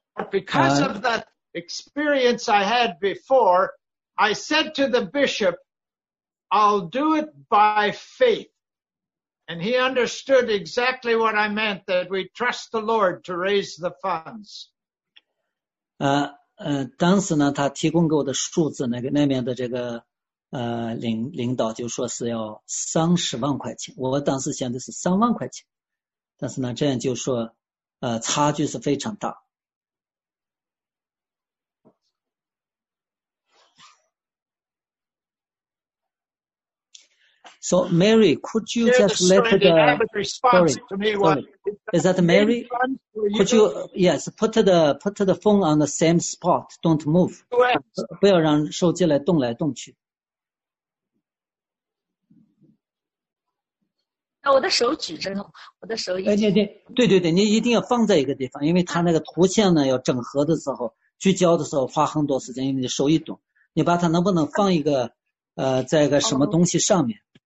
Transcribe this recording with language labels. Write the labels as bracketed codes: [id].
[en] Because of that experience I had before, I said to the bishop, I'll do it by faith. And he understood exactly what I meant, that we trust the Lord to raise the funds. [zh] 当时呢，他提供给我的数字，那边的这个领导就说是要30万块钱，我当时想的是3万块钱，但是呢这样就说差距是非常大。 [en] So Mary, could you just let the story? Is that Mary? Could you yes, put the phone on the same spot. Don't move. [zh] 不要让手机来动来动去。我的手举着，我的手已经。对，你一定要放在一个地方，因为它那个图像呢，要整合的时候、聚焦的时候花很多时间，因为你手一动，你把它能不能放一个在一个什么东西上面？